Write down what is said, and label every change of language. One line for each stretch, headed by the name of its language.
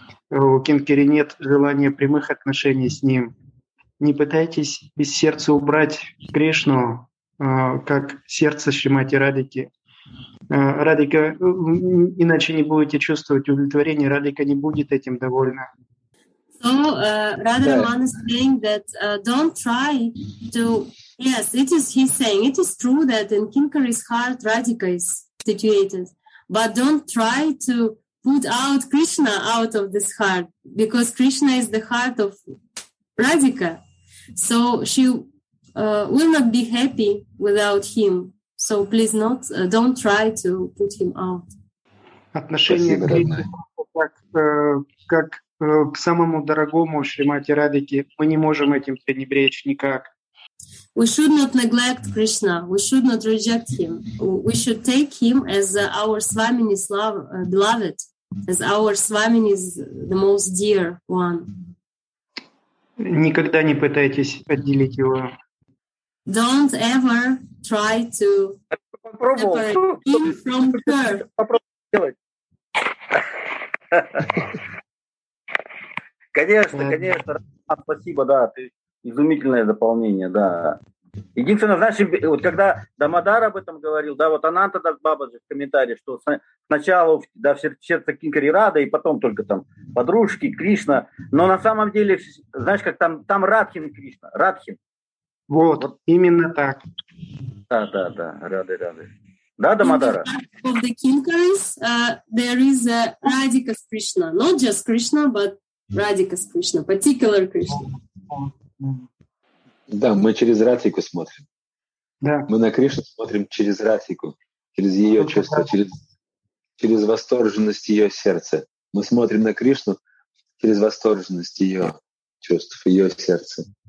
Russian: У Кинкари нет желания прямых отношений с ним. Не пытайтесь из сердца убрать Кришну, как сердце Шримати Радики. Радика, иначе не будете чувствовать удовлетворение, Радика не будет этим довольна.
English: So, Radha Raman is saying that don't try to... Yes, it is, he's saying, it is true that in Kinkari's heart, Radhika is situated. But don't try to put out Krishna out of this heart, because Krishna is the heart of Radhika. So she will not be happy without him. So please not, don't try to put him out.
Russian: Отношение к как к самому дорогому Шримати Радике, мы не можем этим пренебречь никак.
English: We should not neglect Krishna. We should not reject him. We should take him as our Swamini's beloved, as our Swamini's the most dear one.
Russian: Никогда не пытайтесь отделить его.
English: Don't ever try to separate him from her.
Russian: Попробуй сделать. Конечно, конечно. Спасибо, да. Изумительное дополнение, да. Единственное, знаешь, вот когда Дамодар об этом говорил, да, вот Ананта Дас Бабаджи в комментариях, что сначала да, в сердце Кинкари Рада, и потом только там подружки, Кришна. Но на самом деле, знаешь, как там Радхин и Кришна, Радхин. Вот, вот, именно так. Да, да, да, рады. Да, Дамодара?
English: Of the Kinkaris, there is a Radhika Krishna. Not just Krishna, but Radhika Krishna, particular Krishna.
Russian: Да, мы через Радхику смотрим. Да. Мы на Кришну смотрим через Радхику, через ее чувства, через восторженность ее сердца. Мы смотрим на Кришну через восторженность ее чувств, ее сердца.